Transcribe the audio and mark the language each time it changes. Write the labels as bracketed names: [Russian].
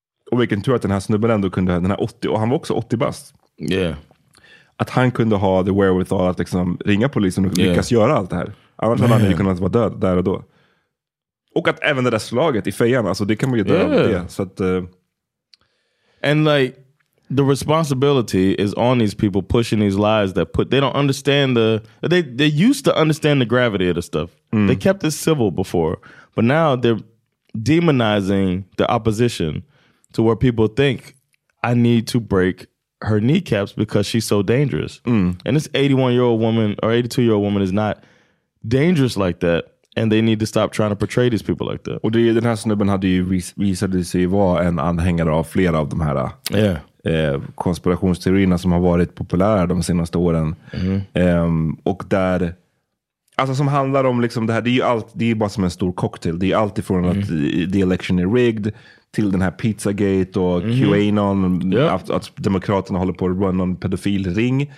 [Swedish] Och vilken tur att den här snubben ändå kunde ha den här 80. Och han var också 80 bast. [English] Yeah. [Swedish] Att han kunde ha [English] the wherewithal [Swedish] att liksom ringa polisen och lyckas göra allt det här. Annars hade han ju kunnat vara död där och då. Och att även det där slaget i fejan, alltså det kan man ju dö av det. Så att, [English] And like, the responsibility is on these people pushing these lies that put, they don't understand they used to understand the gravity of the stuff. Mm. They kept it civil before, but now they're demonizing the opposition to where people think, I need to break her kneecaps because she's so dangerous. Mm. And this 81-year-old woman or 82-year-old woman is not dangerous like that. And they need to stop trying to portray these people like that. [Swedish] Och den här snubben hade ju visat sig vara en anhängare av flera av de här konspirationsteorierna som har varit populära de senaste åren. Mm. Och där, alltså som handlar om liksom det här, det är ju allt, det är bara som en stor cocktail. Det är allt ifrån att [English] the election [Swedish] är rigged till den här Pizzagate och QAnon, att demokraterna håller på att run on pedofilring.